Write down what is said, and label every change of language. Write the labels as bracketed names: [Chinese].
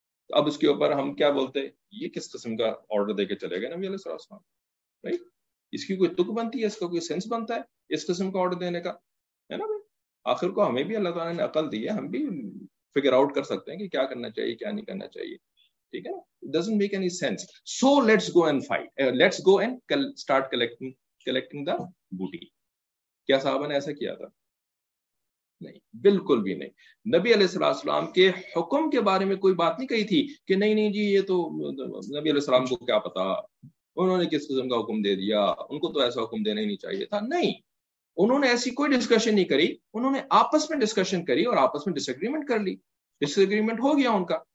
[Urdu] اب اس کے اوپر ہم کیا بولتے, یہ کس قسم کا آرڈر دے کے چلے گئے نبی علیہ السلام, بھائی اس کی کوئی تک بنتی ہے, اس کا کوئی سینس بنتا ہے اس قسم کا آرڈر دینے کا, ہے نا بھائی. آخر کو ہمیں بھی اللہ تعالیٰ نے عقل دی ہے, ہم بھی فگر آؤٹ کر سکتے ہیں کہ کیا کرنا چاہیے کیا نہیں کرنا چاہیے. ٹھیک ہے نا, [English] doesn't make any sense, so let's go and fight, let's go and start collecting the booty. [Urdu] کیا صحابہ نے ایسا کیا تھا؟ نہیں, بالکل بھی نہیں. نبی علیہ السلام کے حکم کے بارے میں کوئی بات نہیں کہی تھی کہ نہیں نہیں جی یہ تو نبی علیہ السلام کو کیا پتا, انہوں نے کس قسم کا حکم دے دیا, ان کو تو ایسا حکم دینا ہی نہیں چاہیے تھا. نہیں, انہوں نے ایسی کوئی ڈسکشن نہیں کری, انہوں نے آپس میں ڈسکشن کری اور آپس میں ڈس اگریمنٹ کر لی, ڈس اگریمنٹ ہو گیا ان کا.